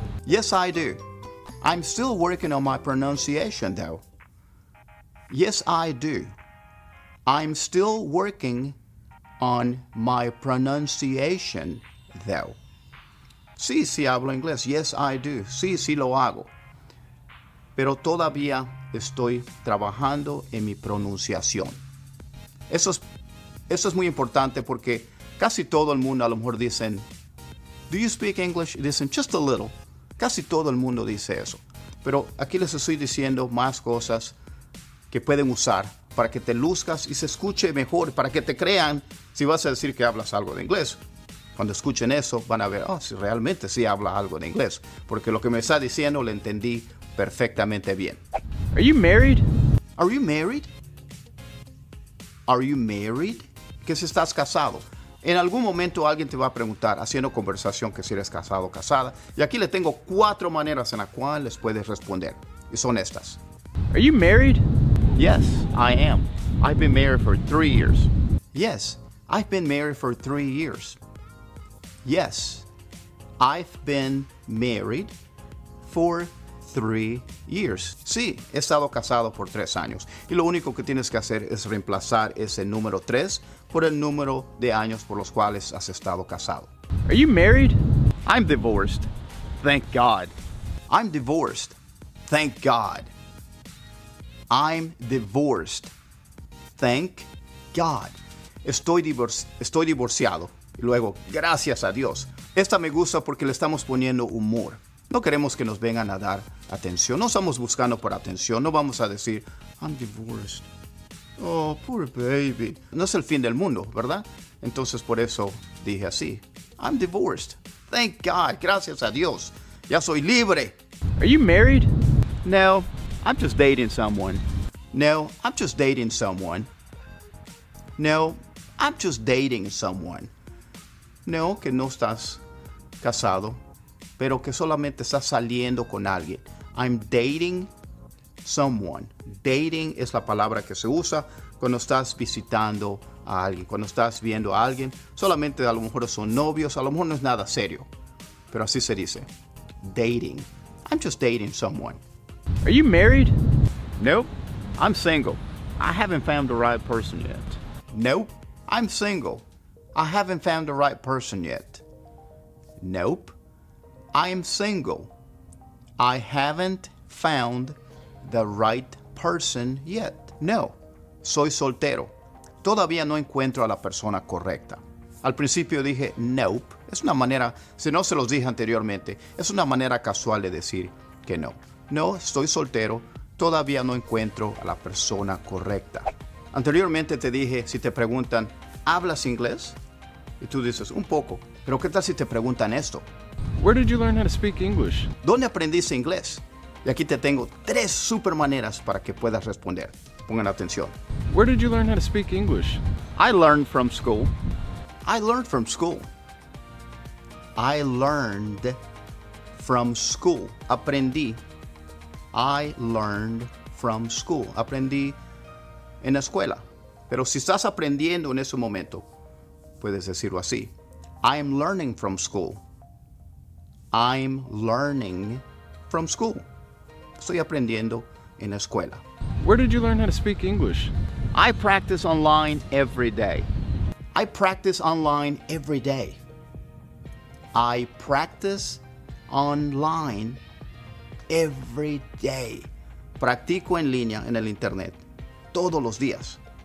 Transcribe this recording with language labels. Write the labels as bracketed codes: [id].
[en] Yes, I do. I'm still working on my pronunciation, though. Yes, I do. I'm still working on my pronunciation, though. [es] Sí, sí, hablo inglés. [en] Yes, I do. [es] Sí, sí, lo hago. Pero todavía estoy trabajando en mi pronunciación. Eso es muy importante porque casi todo el mundo a lo mejor dicen, [en] do you speak English? [es] Dicen, [en] just a little. [es] Casi todo el mundo dice eso. Pero aquí les estoy diciendo más cosas que pueden usar para que te luzcas y se escuche mejor, para que te crean si vas a decir que hablas algo de inglés. Cuando escuchen eso, van a ver, oh, si realmente sí habla algo de inglés. Porque lo que me está diciendo lo entendí perfectamente bien. [en] Are you married? Are you married? Are you married? [es] ¿Qué si estás casado? En algún momento alguien te va a preguntar, haciendo conversación, que si eres casado o casada. Y aquí le tengo cuatro maneras en las cuales les puedes responder. Y son estas. [en] Are you married? Yes, I am. I've been married for 3 years. Yes, I've been married for 3 years. Yes, I've been married for 3 years. [es] Sí, he estado casado por 3 años. Y lo único que tienes que hacer es reemplazar ese número 3 por el número de años por los cuales has estado casado. [en] Are you married? I'm divorced. Thank God. I'm divorced. Thank God. I'm divorced. Thank God. [es] Estoy divorciado. luego, gracias a Dios. Esta me gusta porque le estamos poniendo humor. No queremos que nos vengan a dar atención. No estamos buscando por atención. No vamos a decir, [en] I'm divorced. Oh, poor baby. [es] No es el fin del mundo, ¿verdad? Entonces, por eso dije así. [en] I'm divorced. Thank God. [es] Gracias a Dios. Ya soy libre. [en] Are you married? No, I'm just dating someone. No, I'm just dating someone. No, I'm just dating someone. [es] No, que no estás casado, pero que solamente estás saliendo con alguien. [en] I'm dating someone. [es] Dating es la palabra que se usa cuando estás visitando a alguien, cuando estás viendo a alguien. Solamente a lo mejor son novios, a lo mejor no es nada serio, pero así se dice. [en] Dating. I'm just dating someone. Are you married? Nope. I'm single. I haven't found the right person yet. Nope. I'm single. I haven't found the right person yet. Nope. I am single. I haven't found the right person yet. [es] No. Soy soltero. Todavía no encuentro a la persona correcta. Al principio dije, nope. Es una manera, si no se los dije anteriormente, es una manera casual de decir que no. No, estoy soltero. Todavía no encuentro a la persona correcta. Anteriormente te dije, si te preguntan, ¿hablas inglés? Y tú dices, un poco. Pero ¿qué tal si te preguntan esto? [en] Where did you learn how to speak English? [es] ¿Dónde aprendiste inglés? Y aquí te tengo tres super maneras para que puedas responder. Pongan atención. [en] Where did you learn how to speak English? I learned from school. I learned from school. I learned from school. Aprendí. I learned from school. [es] Aprendí en la escuela. Pero si estás aprendiendo en ese momento, puedes decirlo así. [en] I am learning from school. I'm learning from school. [es] Estoy aprendiendo en la escuela. [en] Where did you learn how to speak English? I practice online every day. I practice online every day. I practice online every day. [es] Practico en línea, en el internet, todos los días.